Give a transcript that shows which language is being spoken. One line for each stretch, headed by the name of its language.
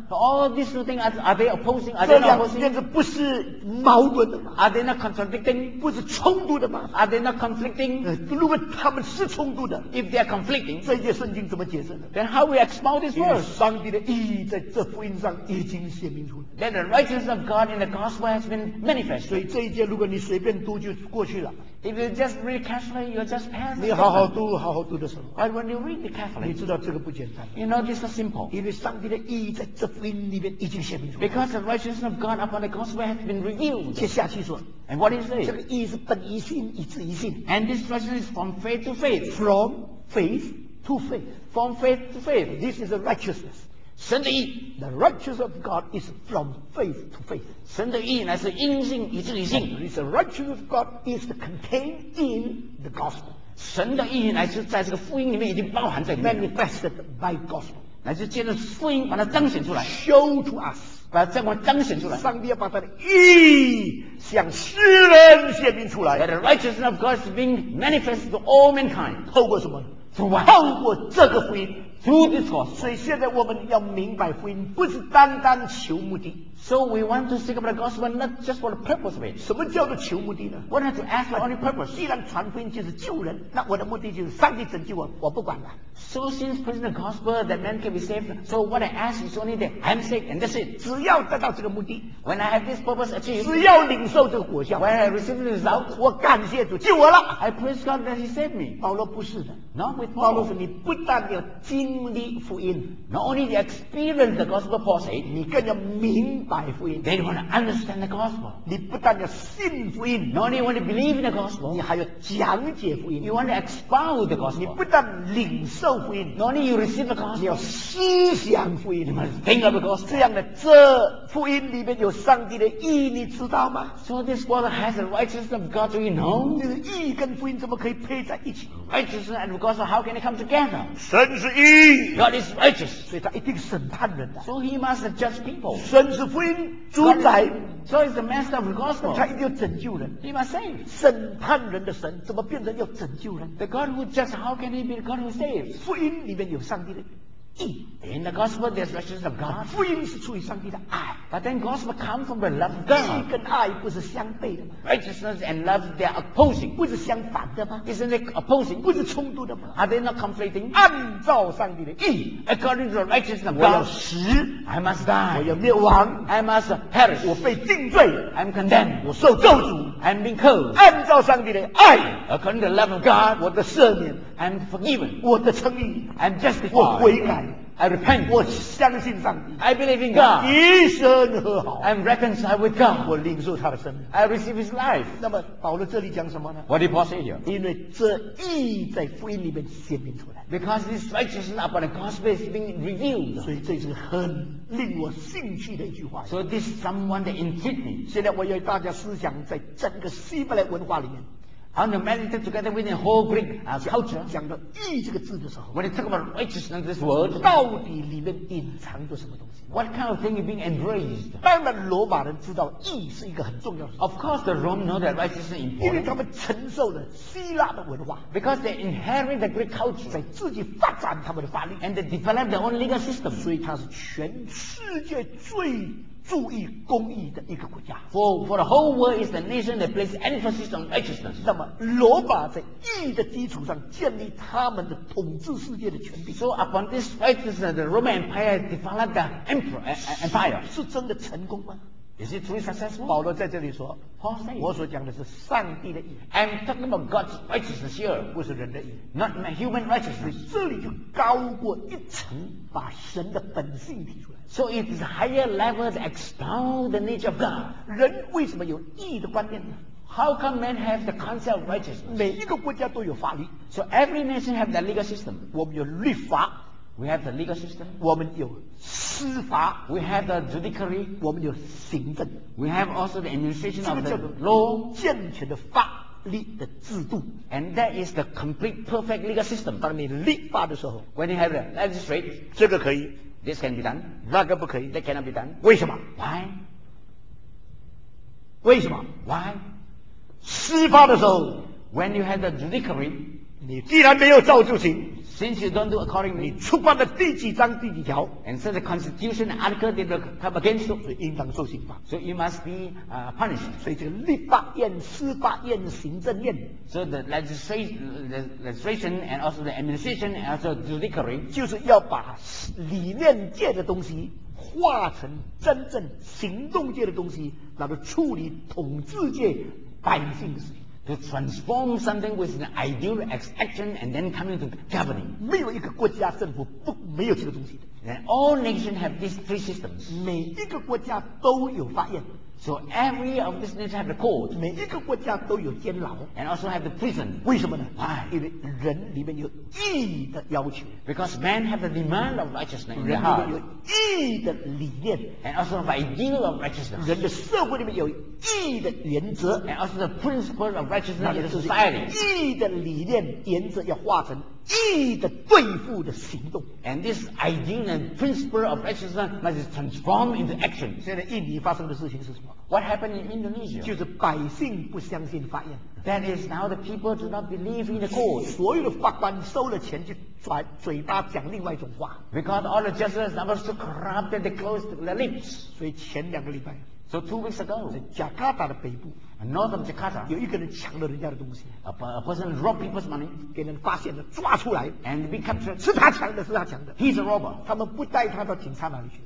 English: ？All these two things are they opposing? Are they not opposing?
Chinese: 这两件事不是矛盾的吗
English: ？Are they not contradicting?
Chinese: 不是冲突的吗
English: ？Are they not conflicting?
Chinese: 如果他们是冲突的
English: ，If they are conflicting，
Chinese: 这些圣经怎么解释呢
English: ？Then how we expound this word?
Chinese: 上帝的义在这福音上已经显明出来。
English: Then the righteousness of God in the gospel has been manifested.
Chinese: 所以这一节如果你随便读就过去。
English: If you just read carefully, you just pass.
Chinese: 你好好读，好好读的时候。
English: But when you read it carefully,
Chinese: 你知道这个不简单。
English: You know this is simple.
Chinese: 因为上帝的意义在这福音里面已经显明出来。
English: Because the righteousness of God upon the gospel has been revealed.
Chinese: 接下去说。
English: And what is it?
Chinese: 这个意义是本于信，以至于信。
English: And this righteousness is from faith to faith. From faith to faith. From faith to faith. This is a righteousness.
Chinese: 神的义
English: ，the righteousness of God is from faith to faith.
Chinese: 神的义乃是因信以至于信。
English: The righteousness of God is contained in the gospel.
Chinese: 神的义乃是在这个福音里面已经包含在里面。
English: Manifested by gospel.
Chinese: 乃是借着福音把它彰显出来。
English: Show to us.
Chinese: 把这光彰显出来。上帝要把他的义向世人显明出来。
English: That the righteousness of God is being manifested to all mankind.
Chinese: 透过什么？
English: Through what?
Chinese: 透过这个福音。
English: Through this gospel.
Chinese: 所以现在我们要明白福音不是单单求目的。
English: So we want to think about the gospel not just for the purpose of it.
Chinese: 什么叫做求目的呢？
English: We want to ask for only purpose.
Chinese: 既然传福音就是救人，那我的目的就是上帝拯救我，我不管了。
English: So since preaching the gospel that man can be saved, so what I ask is only that I'm saved and that's it.
Chinese: 只要得到这个目的，
English: when I have this purpose achieved,
Chinese: 只要领受这个果效，
English: when I receive the result,
Chinese: 我感谢主救我了。
English: I praise God that He saved me.
Chinese: 保罗不是的。
English: Not with
Chinese: Paul. 保罗说你不但要经历福音，
English: not only the experience the gospel Paul said,
Chinese: 你更要明白福音。
English: Then you want to understand the gospel.
Chinese: 你不但要信福音，
English: not only want to believe in the gospel,
Chinese: 你还要讲解福音。
English: You want to expound the gospel.
Chinese: 你不但领受福音，
English: not only you receive the gospel,
Chinese: 你要思想福音。
English: You must think of the gospel.
Chinese: 这样的这福音里面有上帝的义，你知道吗？
English: So this gospel has the righteousness of God, do you know?
Chinese: 这个义跟福音怎么可以配在一起？
English: Righteousness and gospel, how can it come together?
Chinese: 神是义。
English: God is righteous.
Chinese: 所以他一定审判人的。
English: So he must judge people.
Chinese: 神是福音主宰。
English: So he's the master of the gospel.
Chinese: 他一定要拯救人。
English: He must save.
Chinese: 审判人的神怎么变成要拯救人？
English: The God who judges, how can he be the God who saves?
Chinese: 福音里面有上帝的。
English: In the gospel, there's righteousness of God.
Chinese: 福音是出于上帝的爱。
English: But then gospel comes from the love of God.
Chinese: 义跟爱不是相悖的吗？
English: Righteousness and love, they are opposing.
Chinese: 不是相反的吗？
English: Isn't it opposing?
Chinese: 不是冲突的吗？
English: Are they not conflicting?
Chinese: 按照上帝的义。
English: According to the righteousness of God.
Chinese: 我要死。
English: I must die.
Chinese: 我要灭亡。
English: I must perish.
Chinese: 我被定罪。
English: I'm condemned.
Chinese: 我受咒诅。
English: I'm being cursed.
Chinese: 按照上帝的爱。
English: According to the love of God.
Chinese: 我的赦免。
English: I'm forgiven.
Chinese: 我的称义。
English: I'm justified.
Chinese: 我悔改。
English: I repent.
Chinese: 我相信上帝。
English: I believe in God.
Chinese: 一生和好。
English: I'm reconciled with God.
Chinese: 我领受他的生命。
English: I receive His life.
Chinese: 那么保罗这里讲什么呢？
English: What did Paul say here?
Chinese: 因为这义在福音里面显明出来。
English: Because this righteousness upon the gospel is being revealed.
Chinese: 所以这是很令我兴趣的一句话。
English: So this is someone that intrigued me.
Chinese: 现在我要大家思想在整个希伯来文化里面。
English: And the meditate together with the whole Greek culture.
Chinese: 讲到义这个字的时候，
English: when you talk about righteousness, this word,
Chinese: 到底里面隐藏着什么东西？
English: What kind of thing is being embraced?
Chinese: 当然，罗马人知道义是一个很重要的。
English: Of course, the Romans know that righteousness is important.
Chinese: 因为他们承受了希腊的文化。
English: Because they inherit the Greek culture.
Chinese: 在自己发展他们的法律。
English: And they develop their own legal system.
Chinese: 所以它是全世界最注意公义的一个国家。
English: For the whole world is the nation that places emphasis on righteousness.
Chinese: 那么罗马在义的基础上建立他们的统治世界的权柄。
English: So upon this righteousness, the Roman Empire developed the empire.
Chinese: 是真的成功吗？
English: Is it truly successful?
Chinese: 保罗在这里说，
English: Paul says,
Chinese: 我所讲的是上帝的义。
English: I'm talking about God's righteousness here.
Chinese: 不是人的义。
English: Not my human righteousness.
Chinese: 这里就高过一层，把神的本性提出来。
English: So it is higher level to expound the nature of God.
Chinese: 人为什么有义的观念呢？
English: How come men have the concept of righteousness?
Chinese: 每一个国家都有法律。
English: So every nation have the legal system.
Chinese: 我们有律法。
English: We have the legal system.
Chinese: 我们有司法。
English: We have the judiciary.
Chinese: 我们有行政。
English: We have also the administration of the law.
Chinese: 健全的法律的制度。
English: And that is the complete perfect legal system.
Chinese: 当你立法的时候，
English: When you have the legislate,
Chinese: 这个可以。
English: This can be done.
Chinese: 那个不可以。
English: That cannot be done.
Chinese: 为什么？
English: Why?
Chinese: 为什么？
English: Why?
Chinese: 司法的时候，
English: When you have the judiciary,
Chinese: 你既然没有照就行。
English: Since you don't do accordingly,
Chinese: 你触犯了第几章第几条？
English: And so the constitution article did not come against you,
Chinese: 所以应当受刑罚。
English: So you must be punished.
Chinese: 所以这个立法院、司法院、行政院，
English: So the legislation and also the administration and also the judiciary,
Chinese: 就是要把理念界的东西化成真正行动界的东西，然后处理统治界百姓的事情。
English: to transform something with an ideal expectation and then coming to governing.
Chinese: 没有一个国家政府不没有这个东西的。
English: And all nations have these three systems.
Chinese: 每一个国家都有法院。
English: So every of these nations have the court.
Chinese: 每一个国家都有监牢。
English: And also have the prison.
Chinese: 为什么呢？
English: Why?
Chinese: 因为人里面有义的要求。
English: Because men have the demand of righteousness in their heart.
Chinese: 人里面有义的理念。
English: And also have ideal of righteousness.
Chinese: 人的社会里面有义的原则。
English: And also the principle of righteousness in the society.
Chinese: 义的理念原则要化成义的对付的行动。
English: And this ideal and principle of righteousness must transform into action.
Chinese: 现在印尼发生的事情是什么？
English: What happened in Indonesia?
Chinese: 就是百姓不相信法院。
English: That is now the people do not believe in the court.
Chinese: 所有的法官收了钱就转嘴巴讲另外一种话。
English: Because all the judges are so corrupt that they closed their lips.
Chinese: 所以前两个礼拜。
English: So 2 weeks ago.
Chinese: 在贾卡达的北部。
English: North of Jakarta,
Chinese: 有一个人抢了人家的东西。
English: A person robbed people's money,
Chinese: 给人发现了，抓出来。
English: And be captured.
Chinese: 是他抢的，是他抢的。
English: He's a robber.
Chinese: 他们不带他到警察那里去。